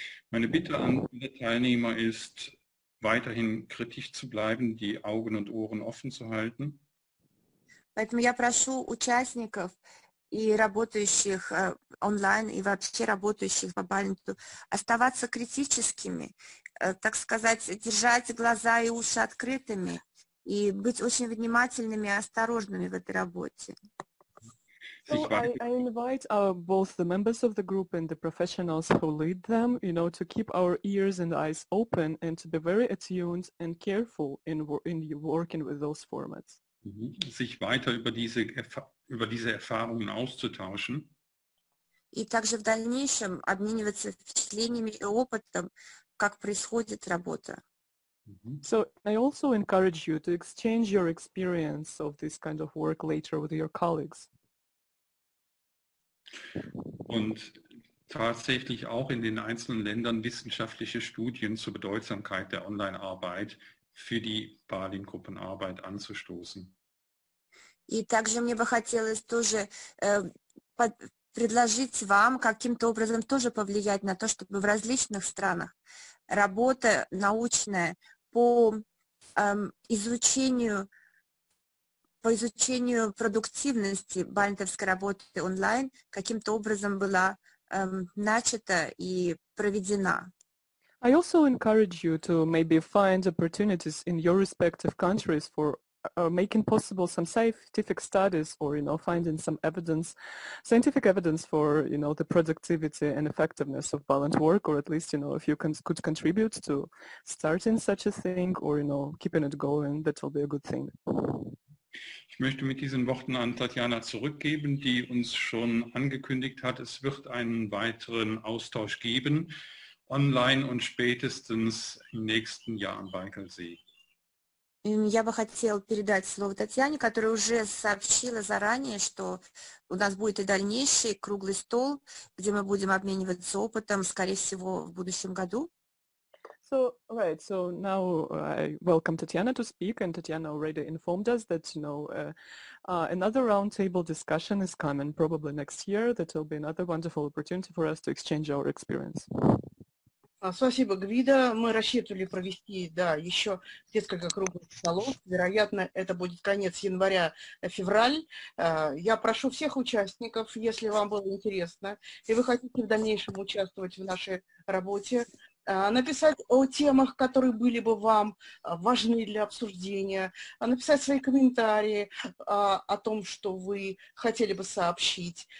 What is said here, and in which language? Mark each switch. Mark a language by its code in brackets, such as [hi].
[de] Meine Bitte an alle Teilnehmer ist, weiterhin kritisch zu bleiben, die Augen und Ohren offen zu halten. [ru] Поэтому я прошу участников и работающих онлайн, и вообще работающих по Балинту оставаться критическими, так сказать, держать глаза и уши открытыми и быть очень внимательными и осторожными в этой работе. [en] So I invite both the members of the group and the professionals who lead them, you know, to keep our ears and eyes open and to be very attuned and careful in working with those formats. [de] Sich weiter über diese Erfahrungen auszutauschen. [ru] И также в дальнейшем обмениваться впечатлениями и опытом, как происходит работа. [en] So I also encourage you to exchange your experience of this kind of work later with your colleagues. [de] Und tatsächlich auch in den einzelnen Ländern wissenschaftliche Studien zur Bedeutsamkeit der Online-Arbeit für die Balint-Gruppenarbeit anzustoßen. [ru] И также мне бы хотелось тоже предложить вам каким-то образом тоже повлиять на то, чтобы в различных странах работа научная по изучению продуктивности балинтовской работы онлайн каким-то образом была начата и проведена. [en] I also encourage you to maybe find opportunities in your respective countries for making possible some scientific studies or, you know, finding some evidence, scientific evidence for, you know, the productivity and effectiveness of balanced work, or at least, you know, if you could contribute to starting such a thing or, you know, keeping it going, that will be a good thing. [de] Ich möchte mit diesen Worten an Tatjana zurückgeben, die uns schon angekündigt hat, es wird einen weiteren Austausch geben, online und spätestens im nächsten Jahr am Baikalsee. [ru] Я бы хотел передать слово Татьяне, которая уже сообщила заранее, что у нас будет и дальнейший круглый стол, где мы будем обмениваться опытом, скорее всего, в будущем году. [en] So, right, so now I welcome Tatjana to speak, and Tatjana already informed us that, you know, another roundtable discussion is coming probably next year, that will be another wonderful opportunity for us to exchange our experience. [ru] Спасибо, Гвида. Мы рассчитывали провести, да, еще несколько круглых столов. Вероятно, это будет конец января, февраль. Я прошу всех участников, если вам было интересно, и вы хотите в дальнейшем участвовать в нашей работе, написать о темах, которые были бы вам важны для обсуждения, написать свои комментарии о том, что вы хотели бы сообщить.